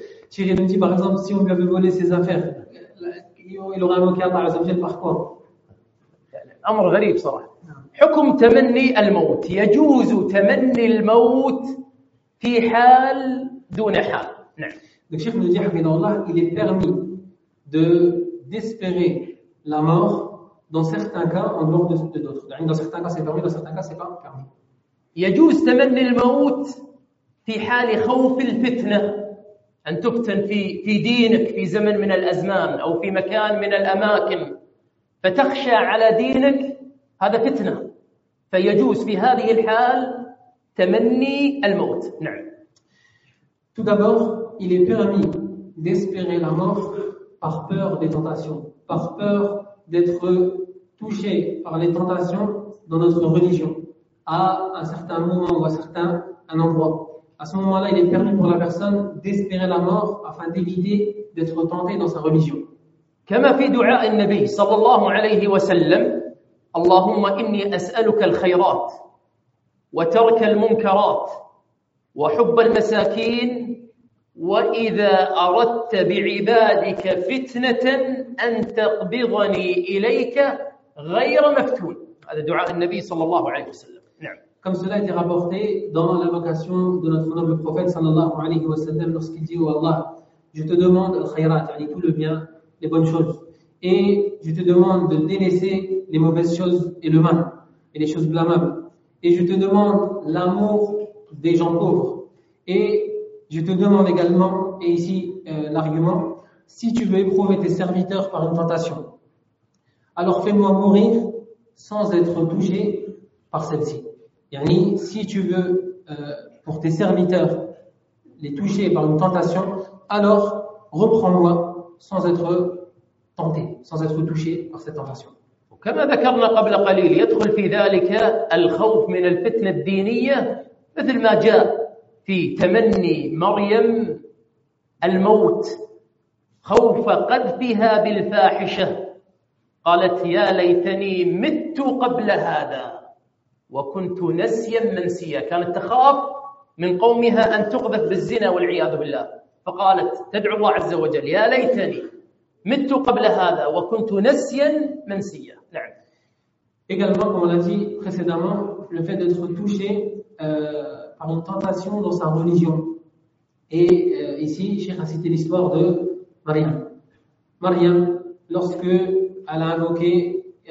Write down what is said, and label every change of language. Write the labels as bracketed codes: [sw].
[fr] Cheikh nous dit par exemple, si on lui avait volé ses affaires, il aurait invoqué Allah, Azza wa Jalla, par quoi ?« [ar] Amr gharib, sara. » حكم تمني الموت يجوز تمني الموت في حال دون حال نعم [fr] donc Cheikh nous dit [ar] حفظه الله [fr] il est permis de d'espérer la mort dans certains cas en dehors de d'autres يعني dans certains cas c'est permis dans certains cas c'est pas permis [ar] يجوز تمني الموت في حال خوف الفتنة أن تفتن في دينك في زمن من الأزمان أو في مكان من الأماكن فتخشى على دينك هذا فتنة فيجوز في هذه الحال تمني الموت نعم [fr] tout d'abord il est permis d'espérer la mort par peur des tentations par peur d'être touché par les tentations dans notre religion à un certain moment ou à un endroit à ce moment-là il est permis pour la personne d'espérer la mort afin d'éviter d'être tenté dans sa religion [ar] كما في دعاء النبي صلى الله عليه وسلم اللهم إني أسألك الخيرات وترك المنكرات وحب المساكين وإذا أردت بعبادك فتنة أن تقبضني إليك غير مفتون هذا دعاء النبي صلى الله عليه وسلم نعم [fr] comme cela est rapporté dans la vocation de notre noble prophète [ar] صلى الله عليه وسلم [fr] lorsqu'il dit oh Allah je te demande le khayrat يعني tout le bien les bonnes choses Et je te demande de délaisser les mauvaises choses et le mal, et les choses blâmables. Et je te demande l'amour des gens pauvres. Et je te demande également, et ici l'argument, si tu veux éprouver tes serviteurs par une tentation, alors fais-moi mourir sans être touché par celle-ci. Yani, si tu veux pour tes serviteurs les toucher par une tentation, alors reprends-moi sans être tenté, sans être touché par cette tentation. [ar] كما ذكرنا قبل قليل يدخل في ذلك الخوف من الفتنة الدينية مثل ما جاء في تمني مريم الموت خوف قذفها بالفاحشة قالت يا ليتني مت قبل هذا وكنت نسيا منسيا. كانت تخاف من قومها أن تقذف بالزنا والعياذ بالله، فقالت تدعو الله عز وجل يا ليتني مت قبل هذا وكنت نسيا منسيا. نعم. [fr] Également, comme on l'a dit précédemment, le fait d'être touché par une tentation dans sa religion. Et ici, Cheikh a cité l'histoire de Maryam. Maryam, lorsque elle a invoqué